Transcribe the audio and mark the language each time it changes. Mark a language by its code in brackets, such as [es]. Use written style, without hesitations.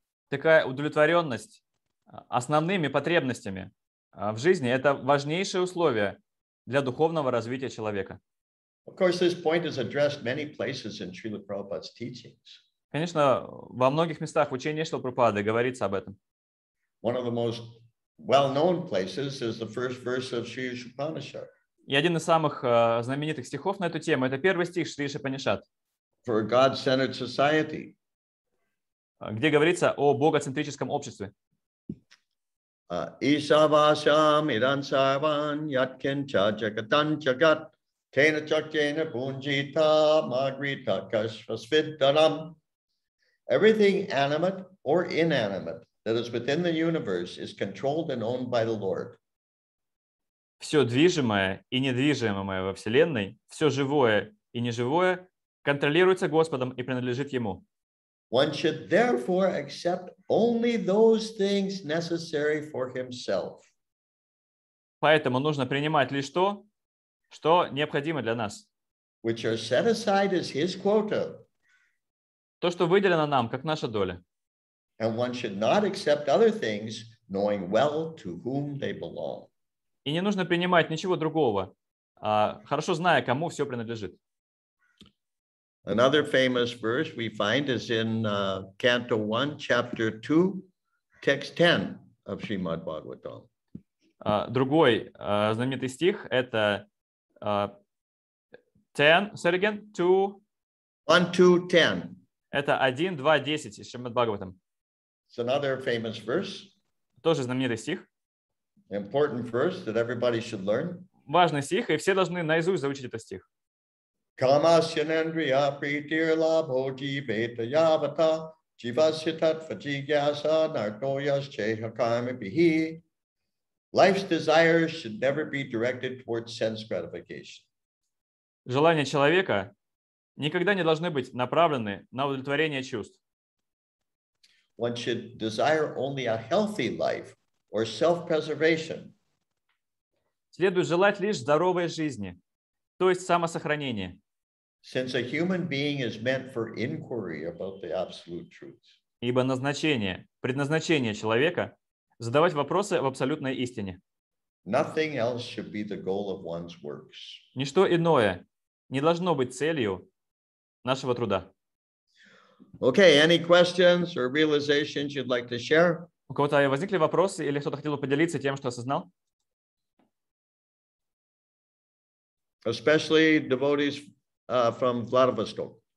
[ru] Такая удовлетворенность основными потребностями в жизни – это важнейшее условие для духовного развития человека. [en] Of course, this point is addressed many places in Srila Prabhupada's teachings. [ru] Конечно, во многих местах в учении Шрилы Прабхупады говорится об этом. [en] One of the most well-known places is the first verse of Sri Upanishad. [ru] И один из самых знаменитых стихов на эту тему – это первый стих Шри Упанишад. [en] For a God-centered society. [ru] Где говорится о богоцентрическом обществе. [sa] Исавасам иран сарван яткинча джагатан джагат. Тена чак тена бунджита магрита кашва свиддарам [en] Everything animate or inanimate that is within the universe is controlled and owned by the Lord. [ru] Все движимое и недвижимое во Вселенной, все живое и неживое контролируется Господом и принадлежит Ему. [en] One should therefore accept only those things necessary for himself. [ru] Поэтому нужно принимать лишь то, что необходимо для нас. [en] Which are set aside as his quota. [ru] То, что выделено нам, как наша доля. [en] And one should not accept other things, knowing well to whom they belong. [ru] И не нужно принимать ничего другого, хорошо зная, кому все принадлежит. [en] Another famous verse we find is in Canto 1, Chapter 2, Text 10 of Srimad Bhagavatam. [ru] Другой знаменитый стих – это [en] 1, 2, 10. [ru] Это 1, 2, 10 из Srimad Bhagavatam. [en] It's another famous verse. [ru] Тоже знаменитый стих. [en] Important verse that everybody should learn. [ru] Важный стих, и все должны наизусть заучить этот стих. [sa] Камасьянендрия притир лабхо джибета явата чивасхитат фаджигьяса нартоясь чеха кармабихи. [en] Life's desires should never be directed towards sense gratification. [ru] Желания человека никогда не должны быть направлены на удовлетворение чувств. [en] One should desire only a healthy life or self-preservation. [ru] Следует желать лишь здоровой жизни, то есть самосохранения. [en] Since a human being is meant for inquiry about the absolute truth. [ru] Ибо назначение, предназначение человека – задавать вопросы в абсолютной истине. [en] Nothing else should be the goal of one's works. [ru] Ничто иное не должно быть целью нашего труда. [en] Okay, any questions or realizations you'd like to share? [ru] У кого-то возникли вопросы или кто-то хотел бы поделиться тем, что осознал? [en] Especially devotees from Vladivostok.